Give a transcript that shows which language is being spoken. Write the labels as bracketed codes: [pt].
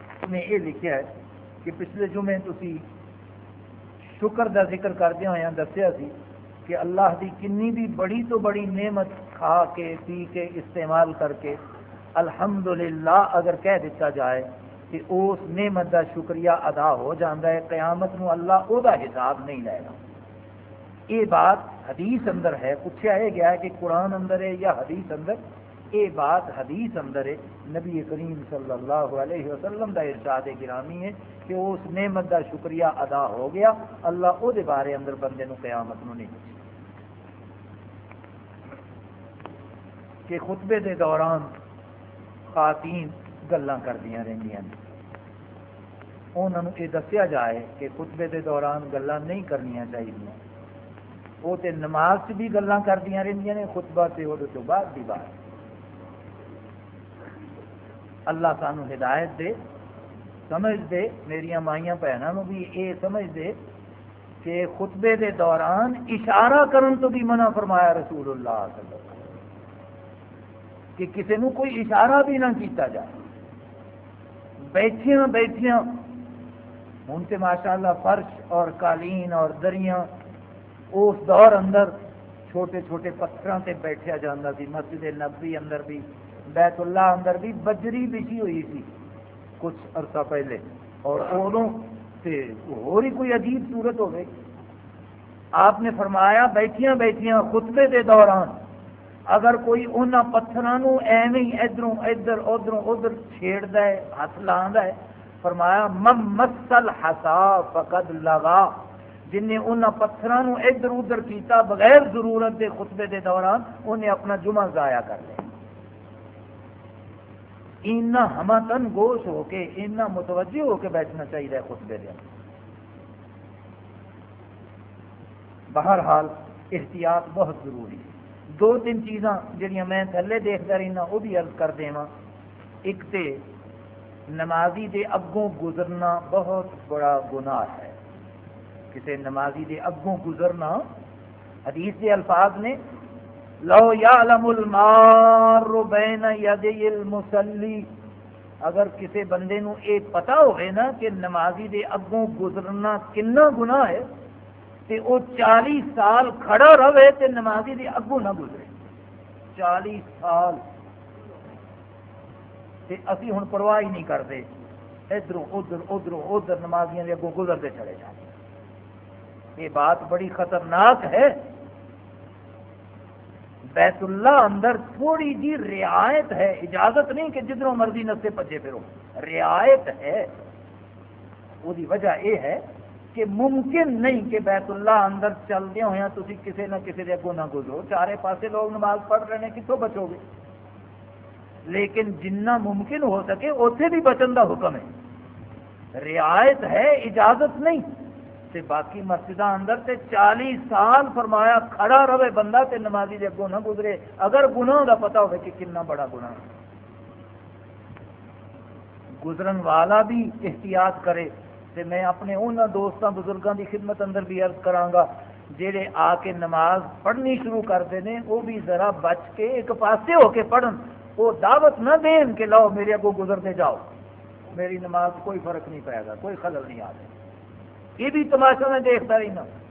[pa] نے یہ لکھا ہے کہ پچھلے جمعے تسی شکر دا ذکر کردے ہویا دسیا سی کہ اللہ دی کنی بھی بڑی تو بڑی نعمت کھا کے پی کے استعمال کر کے الحمدللہ اگر کہہ دیتا جائے کہ اس نعمت دا شکریہ ادا ہو جاندہ ہے، قیامت نو اللہ او دا حساب نہیں لے گا. یہ بات حدیث اندر ہے، پوچھا ہے گیا ہے کہ قرآن اندر ہے یا حدیث اندر، یہ بات حدیث اندر ہے. نبی کریم صلی اللہ علیہ وسلم دا ارشاد گرامی ہے کہ اس نعمت دا شکریہ ادا ہو گیا، اللہ او دے بارے اندر بندے نو قیامت نو نہیں پوچھے. کہ خطبے دے دوران خواتین گلاں کردیاں رہندیاں نے، انہاں نو اے دسیا جائے کہ خطبے دے دوران گلاں نہیں کرنیاں چاہیدیاں، وہ تے نماز چ بھی گلاں کردیاں رہندیاں نے، خطبہ تے اودے تو بعد دی بات. اللہ سانو ہدایت دے، سمجھ دے، میریاں مائیاں بہناں نو بھی اے سمجھ دے کہ خطبے دے دوران اشارہ کرن تو بھی منع فرمایا رسول اللہ صلی اللہ علیہ وسلم، کہ کسے نو کوئی اشارہ بھی نہ کیتا جائے. بیٹھیاں بیٹھیاں ہن تے ماشاءاللہ فرش اور قالین اور دریاں اس دور اندر چھوٹے چھوٹے پتھراں تے بیٹھیا جاندا سی، مسجد نبوی اندر بھی، بیت اللہ اندر بھی بجری بچھی ہوئی سی کچھ عرصہ پہلے، اور اودوں تے ہور ہی کوئی عجیب صورت ہو گئی. آپ نے فرمایا بیٹھیاں بیٹھیاں خطبے دے دوران اگر کوئی انہاں پتھراں نوں ایویں ادھروں ادھر ادھروں ادھر چھیڑدا ہے، ہاتھ لاندا ہے، فرمایا [ar] مم مسل حسا فقد لغا، [pa] جن نے انہاں پتھراں نوں ادھر ادھر کیتا بغیر ضرورت دے خطبے دے دوران، انہیں اپنا جمعہ ضائع کر لیا. اتنا ہما تن گوش ہو کے، اتنا متوجہ ہو کے بیٹھنا چاہیے خطبے دے. [ur] بہرحال احتیاط بہت ضروری ہے. [pa] دو تین چیزاں جڑیاں میں تھلے دیکھتا رہنا وہ بھی عرض کر دیواں. ایک تے نمازی دے اگوں گزرنا بہت بڑا گناہ ہے، کسی نمازی دے اگوں گزرنا، حدیث دے الفاظ نے [ar] لو یعلم المار بین یدی المصلی، [pa] اگر کسی بندے نو اے پتہ ہوئے نا کہ نمازی دے اگوں گزرنا کتنا گناہ ہے، تے او 40 سال کھڑا رہے تے نمازی دے اگوں نہ گزرے 40 سال، تے اسی ہن پرواہ ہی نہیں کرتے، ادھروں ادھر ادھروں ادھر نمازیاں دے اگوں گزرتے چلے جاتے، یہ بات بڑی خطرناک ہے. بیت اللہ اندر تھوڑی جی رعایت ہے، اجازت نہیں کہ جدھروں مرضی نسے پجے پھرو، رعایت ہے. وہ دی وجہ اے ہے کہ ممکن نہیں کہ بیت اللہ اندر چلدے ہوئے تسی کسے نہ کسے دے اگوں نہ گزرو، چارے پاسے لوگ نماز پڑھ رہے ہیں، کتوں بچو گے؟ لیکن جنہ ممکن ہو سکے اوتھے بھی بچن دا حکم ہے، رعایت ہے اجازت نہیں. تے باقی مسجدہ اندر تے 40 سال فرمایا کھڑا رہے بندہ تے نمازی دے اگوں نہ گزرے، اگر گناہ دا پتہ ہوئے کہ کتنا بڑا گناہ ہے، گزرن والا بھی احتیاط کرے. تے میں اپنے انہاں دوستاں بزرگاں دی خدمت اندر بھی عرض کراں گا، جڑے آ کے نماز پڑھنی شروع کردے نے وہ بھی ذرا بچ کے ایک پاسے ہو کے پڑھن، وہ دعوت نہ دیں کہ لاؤ میرے اگوں گزرتے جاؤ، میری نماز کوئی فرق نہیں پائے گا، کوئی خلل نہیں آئے، یہ بھی تماشا میں دیکھتا رہنا.